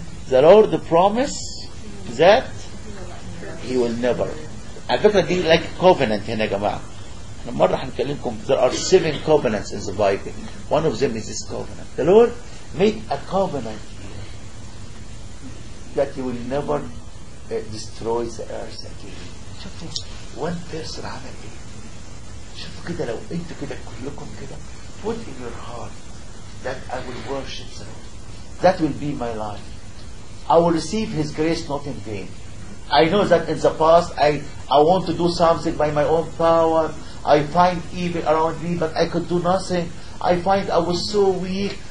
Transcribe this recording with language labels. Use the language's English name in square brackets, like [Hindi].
[English] The Lord promised that he will never. [Arabic] على فكرة دي [English] like covenant [Arabic] هنا يا جماعة مرة هنكلمكم [English] there are seven covenants in the Bible one of them is this covenant. The Lord made a covenant that he will never destroy the earth again. [Arabic] شوفوا [English] one person [Arabic] عمل ايه. شوفوا كده لو انتوا كده كلكم كده [English] put in your heart that I will worship the Lord. That will be my life. I will receive His grace not in vain. I know that in the past I want to do something by my own power. I find evil around me but I could do nothing. I find I was so weak.